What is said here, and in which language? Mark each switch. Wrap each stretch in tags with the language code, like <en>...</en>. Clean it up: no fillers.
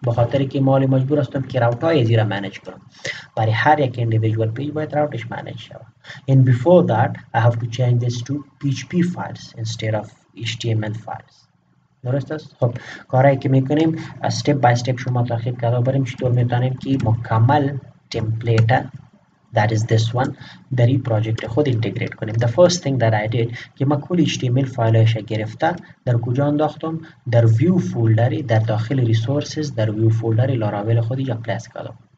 <fa>بخاطر که مالی مجبور استم که راوت های زیرا منیج کنم. برای هر یک</fa> <en>individual page</en> <fa>باید راوتش منیج شوه.</fa> <en>And before that I have to change this to PHP files instead of HTML files.</en> <fa>درست است؟ خب کارهایی که میکنیم</fa> <en>step by step</en> <fa>شما تاخیر کرده بریم چطور میتونیم که مکمل تمپلیت</fa> <en>that is this one</en> <fa>در این پروژیکت خود انتگریت کنیم.</fa> <en>The first thing that I did</en> <fa>که ما کل HTML فایلش گرفته در کجا انداختم؟ در view folder در داخل resources در view folder لاراویل خودی جا پلیس کردم.</fa>